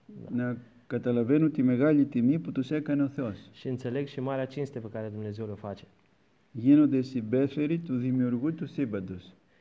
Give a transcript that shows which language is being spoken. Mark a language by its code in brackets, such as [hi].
[el] να καταλαβαίνουν τη μεγάλη τιμή που τους έκανε ο Θεός. [ro] Și înțeleg și marea cinste pe care Dumnezeu le face. [el] Γίνονται συμπέφεροι του Δημιουργού του Σύμπαντος.